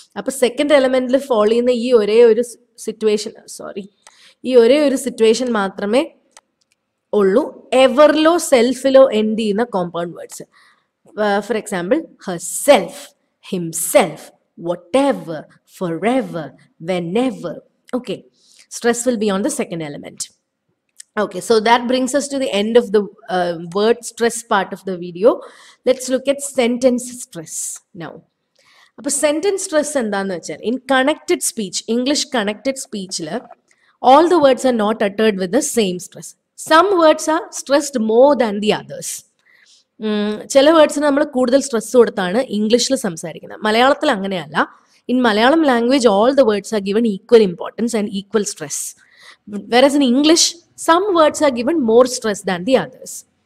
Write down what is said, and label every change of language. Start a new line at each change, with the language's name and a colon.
Malayalam: അപ്പോൾ second എലമെൻറ്റിൽ follow ചെയ്യുന്ന ഈ ഒരേ ഒരു സിറ്റുവേഷൻ, സോറി, ഈ ഒരേ ഒരു സിറ്റുവേഷൻ മാത്രമേ ഉള്ളൂ എവറിലോ സെൽഫിലോ എൻഡ് ചെയ്യുന്ന compound words.
English: For example herself, himself, whatever, forever, whenever. Okay, stress will be on the second element. Okay, so that brings us to the end of the word stress part of the video. Let's look at sentence stress now.
Malayalam: Appo sentence stress enda nu vachal,
English: in connected speech, English connected speech la all the words are not uttered with the same stress. Some words are stressed more than the others.
Malayalam: ചില വേർഡ്സിന് നമ്മൾ കൂടുതൽ stress കൊടുത്താണ് ഇംഗ്ലീഷിൽ സംസാരിക്കുന്നത്. മലയാളത്തിൽ അങ്ങനെയല്ല.
English: In Malayalam language all the words are given equal importance and equal stress. വേറെ in English some words are given more stress than the others.